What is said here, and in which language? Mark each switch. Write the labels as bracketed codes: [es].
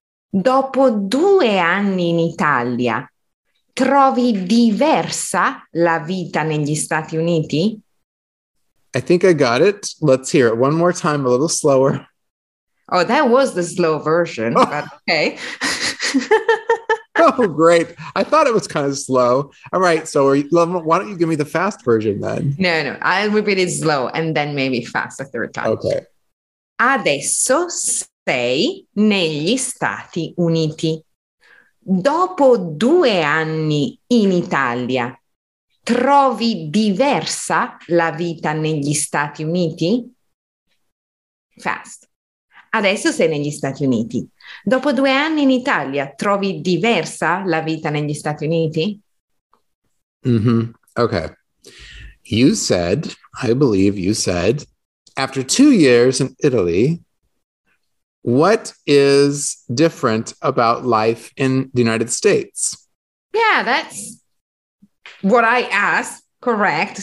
[it] Dopo 2 anni in Italia, trovi diversa la vita negli Stati Uniti? [en] I think I got it. Let's hear it one more time, a little slower. Oh, that was the slow version, but okay. Oh, great. I thought it was kind of slow. All right. So why don't you give me the fast version then? No. I'll repeat it slow and then maybe fast a third time. Okay. [it] Adesso sei negli Stati Uniti. Dopo 2 anni in Italia, trovi diversa la vita negli Stati Uniti? Fast. Adesso sei negli Stati Uniti. Dopo 2 anni in Italia, trovi diversa la vita negli Stati Uniti? [en] Mm-hmm. Okay. You said, I believe you said, after 2 years in Italy, what is different about life in the United States? Yeah, that's what I asked, correct.